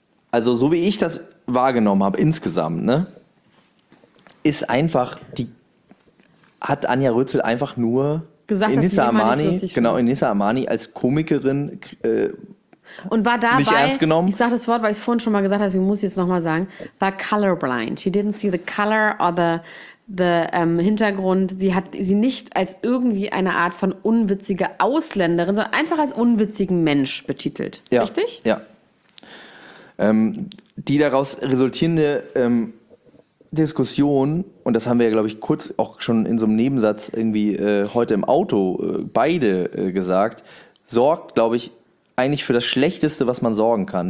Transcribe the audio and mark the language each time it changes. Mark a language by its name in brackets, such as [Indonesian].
[German] Also so wie ich das wahrgenommen habe insgesamt, ne, ist einfach, hat Anja Rützel einfach nur gesagt, Enissa Amani, Enissa Amani als Komikerin und war dabei, nicht ernst genommen. Ich sage das Wort, weil ich es vorhin schon mal gesagt habe, ich muss es jetzt nochmal sagen, war colorblind. [English] She didn't see the color or the Hintergrund. [German] Sie hat sie nicht als irgendwie eine Art von unwitzige Ausländerin, sondern einfach als unwitzigen Mensch betitelt. Ja. Richtig? Ja. Die daraus resultierende Diskussion, und das haben wir ja, glaube ich, kurz auch schon in so einem Nebensatz irgendwie heute im Auto beide gesagt, sorgt, glaube ich, eigentlich für das Schlechteste, was man sorgen kann.